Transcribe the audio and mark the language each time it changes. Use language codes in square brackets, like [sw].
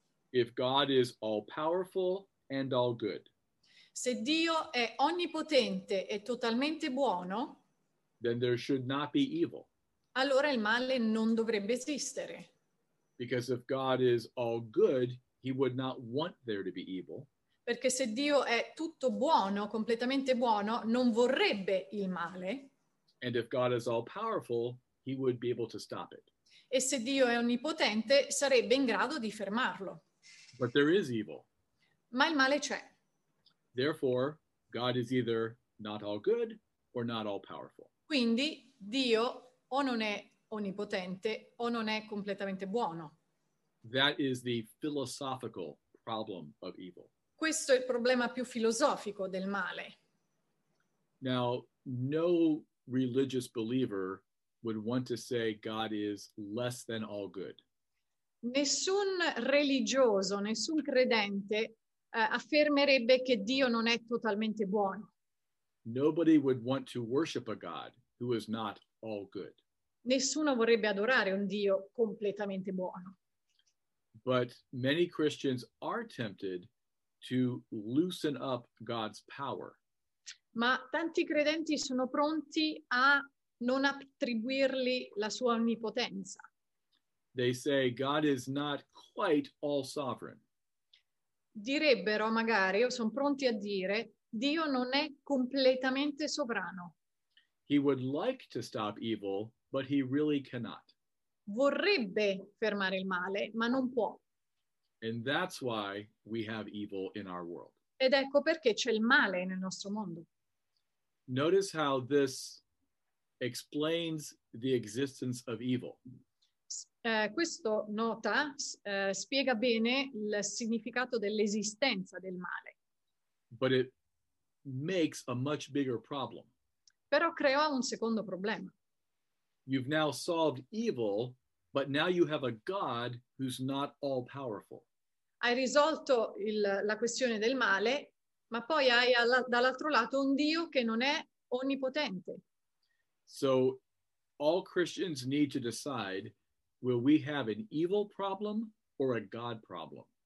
[en] If God is all powerful and all good. [it] Se Dio è onnipotente e totalmente buono. [en] Then there should not be evil. [it] Allora il male non dovrebbe esistere. [en] Because if God is all good, he would not want there to be evil. [it] Perché se Dio è tutto buono, completamente buono, non vorrebbe il male. [en] And if God is all powerful, he would be able to stop it. [it] E se Dio è onnipotente, sarebbe in grado di fermarlo. [en] But there is evil. [it] Ma il male c'è. [en] Therefore, God is either not all good or not all powerful. [it] Quindi Dio o non è onnipotente o non è completamente buono. [en] That is the philosophical problem of evil. [it] Questo è il problema più filosofico del male. [en] Now, no religious believer would want to say God is less than all good. [it] Nessun religioso, nessun credente affermerebbe che Dio non è totalmente buono. [en] Nobody would want to worship a God who is not all good. [it] Nessuno vorrebbe adorare un Dio completamente buono. [en] But many Christians are tempted to loosen up God's power. [it] Ma tanti credenti sono pronti a non attribuirgli la sua onnipotenza. [en] They say God is not quite all sovereign. [it] Direbbero magari, o sono pronti a dire, Dio non è completamente sovrano. [en] He would like to stop evil, but he really cannot. [it] Vorrebbe fermare il male, ma non può. [en] And that's why we have evil in our world. [it] Ed ecco perché c'è il male nel nostro mondo. [en] Notice how this explains the existence of evil. [it] Spiega bene il significato dell'esistenza del male. [en] But it makes a much bigger problem. [it] Però creò un secondo problema. [en] You've now solved evil, but now you have a God who's not all powerful. [it] Hai risolto la questione del male, ma poi hai dall'altro lato un Dio che non è onnipotente. [en] So all Christians need to decide, will we have an evil problem or a God problem?